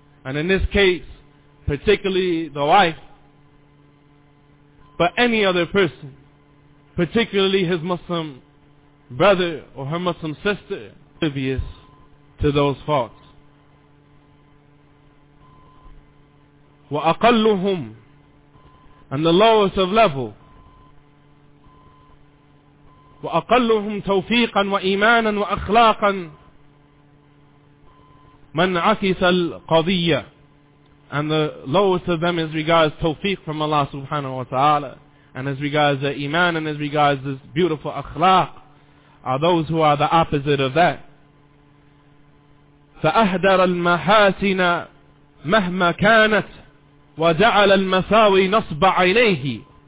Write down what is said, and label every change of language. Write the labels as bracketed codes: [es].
[en] And in this case, particularly the wife, but any other person, particularly his Muslim brother or her Muslim sister, oblivious to those faults. وأقلهم and the lowest of level. [ar] وأقلهم توفيقا وإيمانا وأخلاقا من عكس القضية. [en] And the lowest of them as regards tawfiq from Allah subhanahu wa ta'ala, and as regards the iman, and as regards this beautiful akhlaq, are those who are the opposite of that. [ar] فَأَهْدَرَ الْمَحَاسِنَ مَهْمَا كَانَتْ وَجَعَلَ الْمَثَاوِي نَصْبَ عَيْنَيْهِ.